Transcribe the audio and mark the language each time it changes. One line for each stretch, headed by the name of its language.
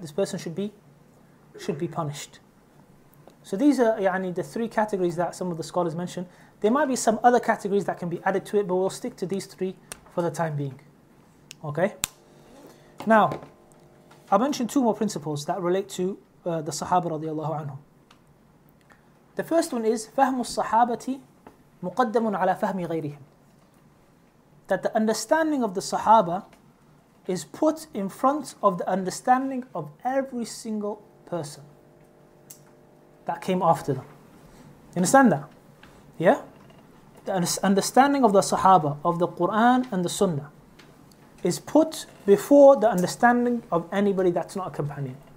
English: This person should be punished. So these are يعني, the three categories that some of the scholars mentioned. There might be some other categories that can be added to it, but we'll stick to these three for the time being. Okay? Now, I'll mention two more principles that relate to the Sahaba radiallahu anhum. The first one is
Arabic: فهم الصحابة مقدم على فهم غيرهم.
English: That the understanding of the Sahaba is put in front of the understanding of every single person that came after them. You understand that? Yeah? The understanding of the Sahaba, of the Quran and the Sunnah, is put before the understanding of anybody that's not a companion.